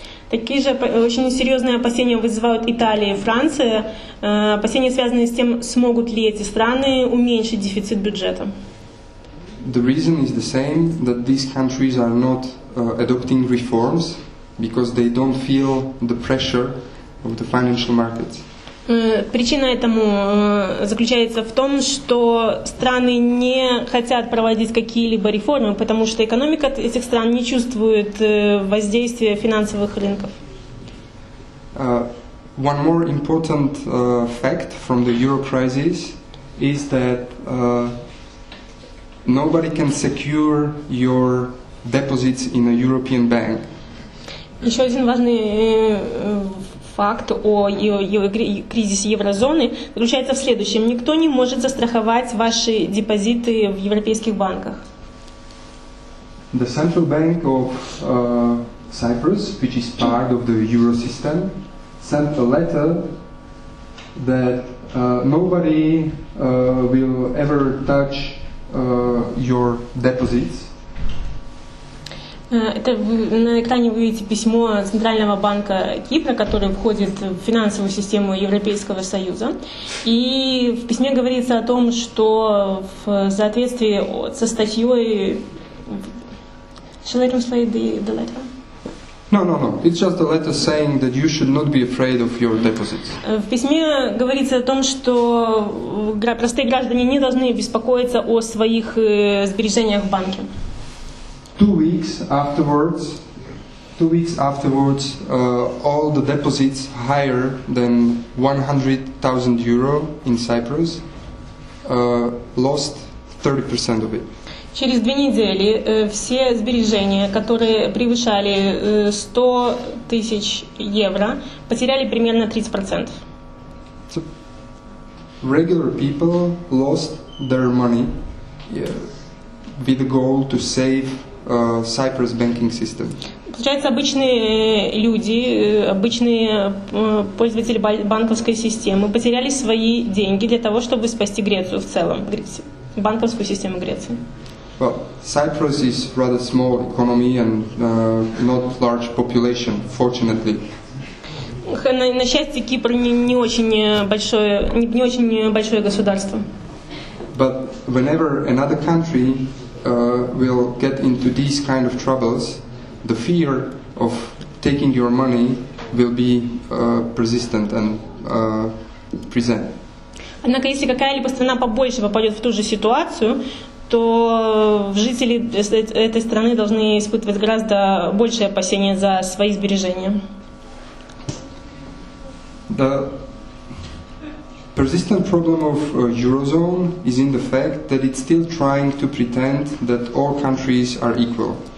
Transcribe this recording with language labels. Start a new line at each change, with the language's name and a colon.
Russian: Такие же очень серьезные опасения вызывают Италия и Франция. Опасения связаны с тем, смогут ли эти страны уменьшить дефицит бюджета.
English: The reason is the same, that these countries are not adopting reforms because they don't feel the pressure of the financial markets.
Russian: Причина этому заключается в том, что страны не хотят проводить какие-либо реформы, потому что экономика этих стран не чувствует воздействия финансовых рынков.
English: One more important fact from the euro crisis is that nobody can secure your deposits in a European bank.
Russian: Еще один важный факт о кризисе еврозоны заключается в следующем. Никто не может застраховать ваши депозиты в европейских банках.
English: The Central Bank of Cyprus, which is part of the euro system, sent a letter that nobody will ever touch your deposits.
Russian: Это на экране вы видите письмо Центрального банка Кипра, которое входит в финансовую систему Европейского Союза. И в письме говорится о том, что в соответствии со статьей...
English: Shall I translate the letter? No. It's just a letter saying that you should not be afraid of your deposits.
Russian: В письме говорится о том, что простые граждане не должны беспокоиться о своих сбережениях в банке.
English: Two weeks afterwards, all the deposits higher than 100,000 euro in Cyprus lost 30% of it.
Russian: Через две недели все сбережения, которые превышали 100 тысяч евро, потеряли примерно 30%.
English: So, regular people lost their money with the goal to save Cyprus banking system.
Russian: Получается, обычные люди, обычные пользователи банковской системы потеряли свои деньги для того, чтобы спасти Грецию в целом, банковскую систему Греции.
English: Well, Cyprus is rather small economy and not large population, fortunately.
Russian: На счастье, Кипр не очень большое государство.
English: But whenever another country will get into these kind of troubles, the fear of taking your money will be persistent and present.
Russian: Однако, если какая-либо страна побольше попадет в ту же ситуацию, то жители этой страны должны испытывать гораздо большее опасение за свои сбережения.
English: The persistent problem of Eurozone is in the fact that it's still trying to pretend that all countries are equal.